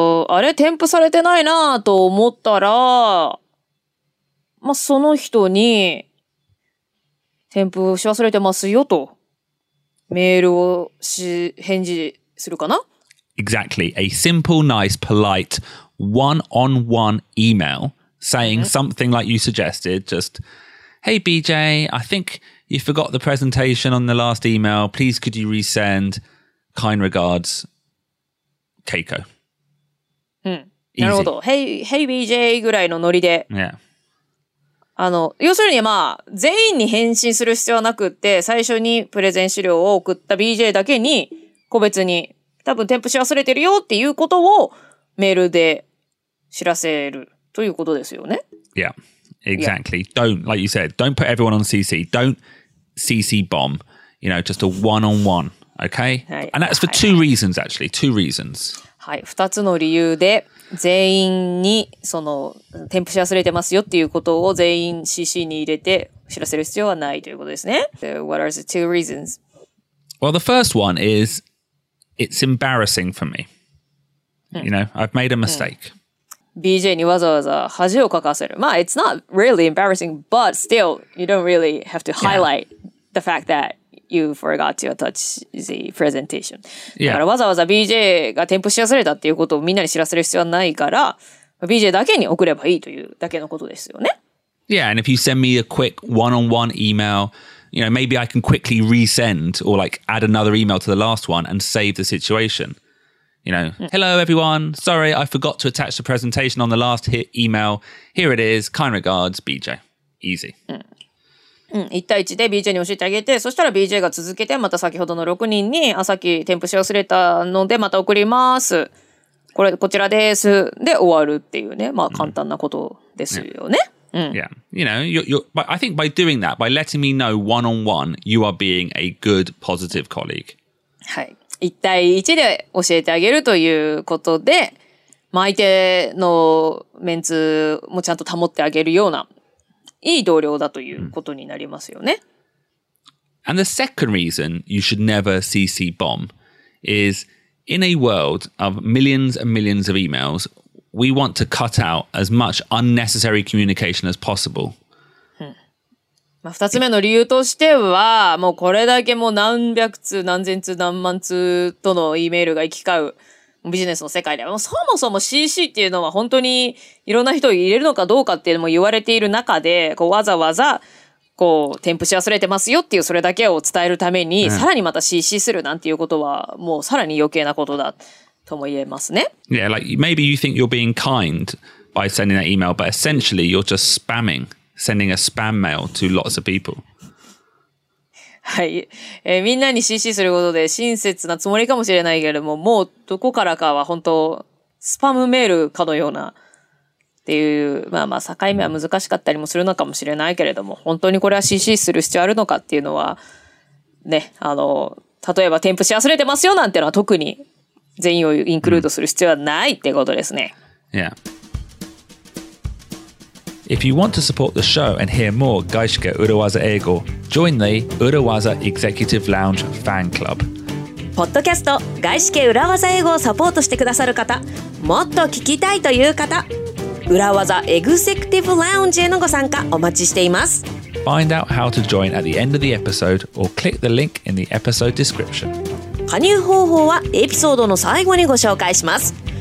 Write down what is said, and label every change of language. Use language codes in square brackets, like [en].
[ja] あれ添付されてないなと思ったら、まあ、その人に添付し忘れてますよとメールをし返事するかな? [en] Exactly. A simple, nice, polite one-on-one email saying something like you suggested, justHey BJ, I think you forgot the presentation on the last email. Please could you resend? Kind regards, Keiko. [ja] うん、Easy. なるほど。Hey BJ ぐらいのノリで。 [en] Yeah. [ja] 要するにまあ全員に返信する必要はなくって、最初にプレゼン資料を送った BJ だけに個別に多分添付し忘れてるよっていうことをメールで知らせるということですよね。 [en] Yeah. Exactly.、Yeah. Don't, like you said, don't put everyone on CC. Don't CC bomb. You know, just a one-on-one. Okay?、 [ja] はい、 [en] And that's for two、はい、reasons, actually. Two reasons. [ja] はい。二つの理由で全員にその添付し忘れてますよっていうことを全員 CC に入れて知らせる必要はないということですね。 [en] So, what are the two reasons? Well, the first one is it's embarrassing for me.、うん、you know, I've made a mistake.、うん [ja] BJ にわざわざ恥をかかせる。 [en] まあ、it's not really embarrassing, but still, you don't really have to highlight、yeah. the fact that you forgot to attach the presentation.、 Yeah. [ja] だからわざわざ BJ が添付し忘れたっていうことをみんなに知らせる必要はないから、BJ だけに送ればいいというだけのことですよね。 [en] Yeah, and if you send me a quick one-on-one email, you know, maybe I can quickly resend or like add another email to the last one and save the situation. You know, hello everyone. Sorry, I forgot to attach the presentation on the last hit email. Here it is. Kind regards, BJ. Easy. [ja] うん、一対一で BJ に教えてあげて、そしたら BJ が続けて、また先ほどの6人に、あ、さっき添付し忘れたので、また送ります。これ、こちらです。で、終わるっていうね、まあ、簡単なことですよね。 [en] Yeah. You know, you're, I think by doing that, by letting me know one-on-one, you are being a good, positive colleague. [ja] はい。一対一で教えてあげるということで、まあ、相手のメンツもちゃんと保ってあげるような、いい同僚だということになりますよね。 [en] And the second reason you should never CC bomb is in a world of millions and millions of emails, we want to cut out as much unnecessary communication as possible. [ja] まあ、二つ目の理由としては、もうこれだけもう何百通、何千通、何万通との E メールが行き交うビジネスの世界では、もうそもそも CC っていうのは本当にいろんな人を入れるのかどうかっていうのも言われている中で、こうわざわざこう添付し忘れてますよっていうそれだけを伝えるために、さらにまた CC するなんていうことは、もうさらに余計なことだとも言えますね。 [en] Yeah, like maybe you think you're being kind by sending that email, but essentially you're just spamming. Sending a spam mail to lots of people. [ja] はい、みんなに CC することで親切なつもりかもしれないけれども、もうどこからかは本当スパムメールかのようなっていう、まあまあ境目は難しかったりもするのかもしれないけれども、本当にこれは CC する必要あるのかっていうのはね、例えば添付し忘れてますよなんてのは特に全員をインクルードする必要はないってことですね。 [en] Yeah. If you want to support the show and hear more 外資系裏技英語, join the 裏技 Executive Lounge Fan Club. [ja] ポッドキャスト外資系裏技英語をサポートしてくださる方、もっと聞きたいという方、裏技 Executive Lounge へのご参加お待ちしています。 [en] Find out how to join at the end of the episode or click the link in the episode description. [ja] 加入方法はエピソードの最後にご紹介します。